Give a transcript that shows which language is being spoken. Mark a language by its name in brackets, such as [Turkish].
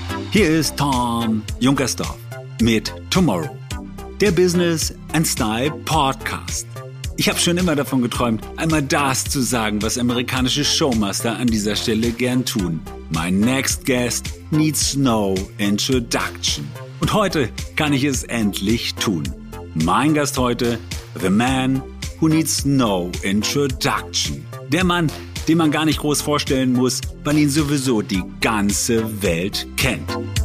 [German] Hier ist Tom Junkersdorf mit Tomorrow, der Business and Style Podcast. Ich habe schon immer davon geträumt, einmal das zu sagen, was amerikanische Showmaster an dieser Stelle gern tun. [English] My next guest needs no introduction. [German] Und heute kann ich es endlich tun. Mein Gast heute, [English] the man who needs no introduction. [German] Der Mann, den man gar nicht groß vorstellen muss, weil ihn sowieso die ganze Welt kennt.